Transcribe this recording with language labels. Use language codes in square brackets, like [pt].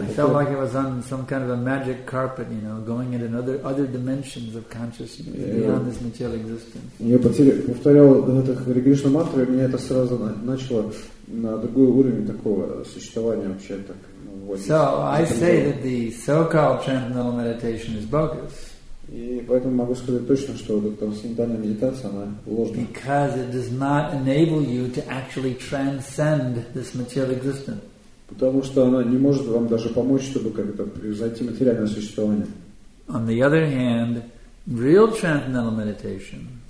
[en] I felt like I was on some kind of a magic carpet, you know, going into other dimensions of consciousness beyond this material existence. [ru] Я повторял эту Харе Кришна мантру, и меня это сразу начало на другой уровень такого существования вообще так. [en] So I say that the so-called transcendental meditation is bogus. [ru] И поэтому могу сказать точно, что вот эта трансцендентальная медитация, она ложна. [en] Because it does not enable you to actually transcend this material existence. [ru] Потому что она не может вам даже помочь, чтобы как-то превзойти материальное существование. [en] On the other hand, real transcendental meditation.